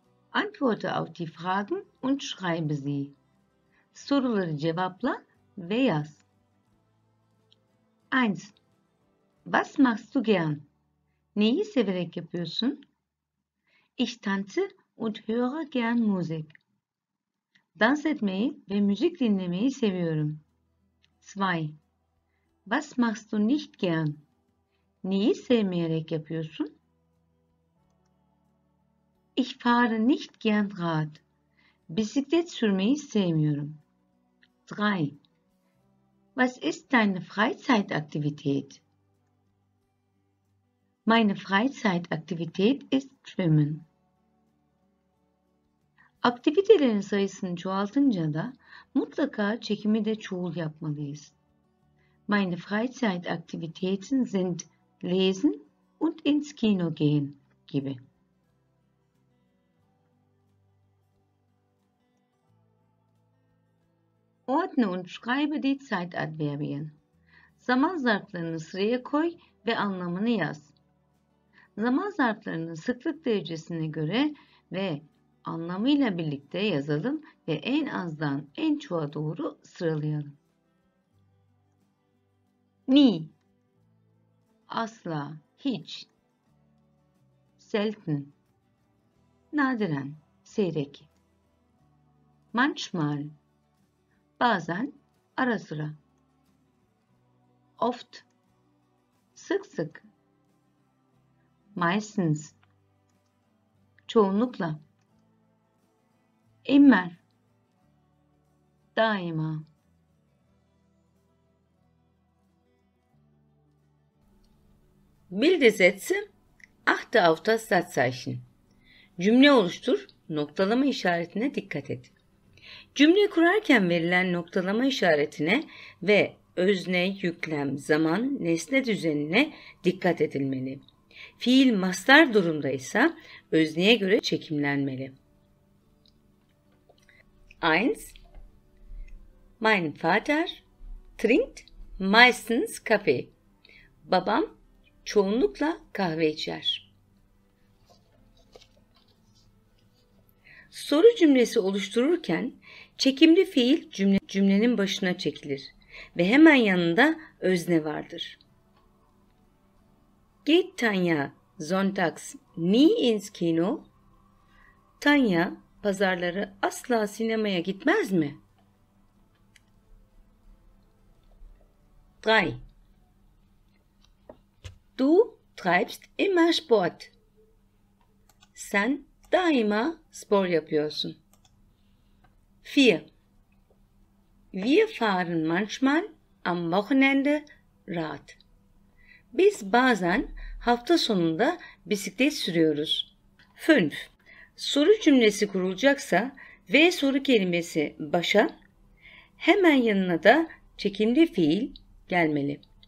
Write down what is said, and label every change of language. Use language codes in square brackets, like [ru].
[de] Antworte auf die Fragen und schreibe sie. [tr] Soruları cevapla ve yaz. 1. [de] Was machst du gern? [tr] Neyi severek yapıyorsun? [de] Ich tanze und höre gern Musik. [tr] Dans etmeyi ve müzik dinlemeyi seviyorum. 2. [de] Was machst du nicht gern? [tr] Neyi sevmeyerek yapıyorsun? [de] Ich fahre nicht gern Rad. [tr] Bisiklet sürmeyi sevmiyorum. 3. [de] Was ist deine Freizeitaktivität? Meine Freizeitaktivität ist Schwimmen. [tr] Aktivitelerin sayısını çoğaltınca da mutlaka çekimi de çoğul yapmalıyız. [de] Meine Freizeitaktivitäten sind lesen und ins Kino gehen gibi. Ordne und schreibe die Zeitadverbien. [tr] Zaman zarflarını sıraya koy ve anlamını yaz. Zaman zarflarının sıklık derecesine göre ve anlamıyla birlikte yazalım ve en azdan en çoğa doğru sıralayalım. Nie, asla, hiç. Selten, nadiren, seyrek. Manchmal, bazen, ara sıra. Oft, sık sık. Meistens, çoğunlukla. Immer, daima. [de] Bilde Sätze, achte auf das Satzzeichen. [tr] Cümle oluştur, noktalama işaretine dikkat et. Cümle kurarken verilen noktalama işaretine ve özne, yüklem, zaman, nesne düzenine dikkat edilmeli. Fiil mastar durumdaysa özneye göre çekimlenmeli. 1. [de] Mein Vater trinkt meistens Kaffee. [tr] Babam çoğunlukla kahve içer. Soru cümlesi oluştururken çekimli fiil cümlenin başına çekilir ve hemen yanında özne vardır. [de] Geht Tanja Sonntags nie ins Kino? [tr] Tanya, pazarları asla sinemaya gitmez mi? 3. [de] Du treibst immer Sport. [tr] Sen daima spor yapıyorsun. 4. [de] Wir fahren manchmal am Wochenende Rad. [tr] Biz bazen hafta sonunda bisiklet sürüyoruz. 5. Soru cümlesi kurulacaksa ve soru kelimesi başa, hemen yanına da çekimli fiil gelmeli.